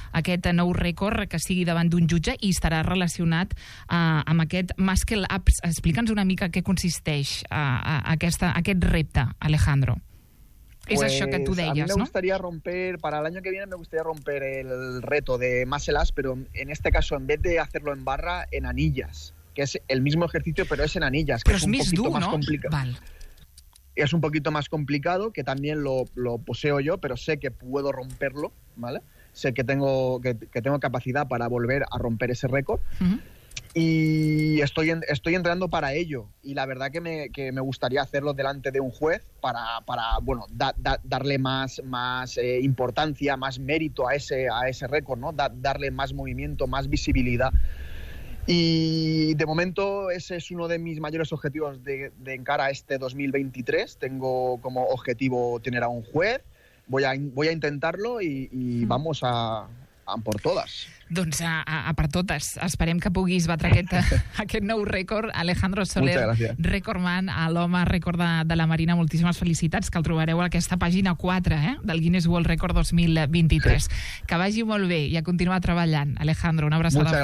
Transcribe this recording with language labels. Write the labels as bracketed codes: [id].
[ca] Aquest nou rècord que sigui davant d'un jutge i estarà relacionat amb aquest Muscle Ups. Explica'ns una mica què consisteix aquest repte, Alejandro. [es] Pues, [ca] és això que tu deies, no? [es] A mi me gustaría romper, para el año que viene me gustaría romper el reto de Muscle Ups, pero en este caso, en vez de hacerlo en barra, en anillas. Que es el mismo ejercicio, pero es en anillas. Pero que es un poquito más complicado. Vale. Es un poquito más complicado, que también lo poseo yo, pero sé que puedo romperlo, ¿vale? Sé que tengo capacidad para volver a romper ese récord. Y estoy entrenando para ello. Y la verdad que me gustaría hacerlo delante de un juez para darle más importancia, más mérito a ese récord, ¿no? Darle más movimiento, más visibilidad. Y de momento ese es uno de mis mayores objetivos de encara a este 2023. Tengo como objetivo tener a un juez, voy a intentarlo y vamos a por todas. [ca] Doncs a per totes. Esperem que puguis batre aquest nou rècord. Alejandro Soler, rècordman, l'home rècord de la Marina. Moltíssimes felicitats, que el trobareu a aquesta pàgina 4 del Guinness World Record 2023. Sí. Que vagi molt bé i a continuar treballant. Alejandro, una abraçada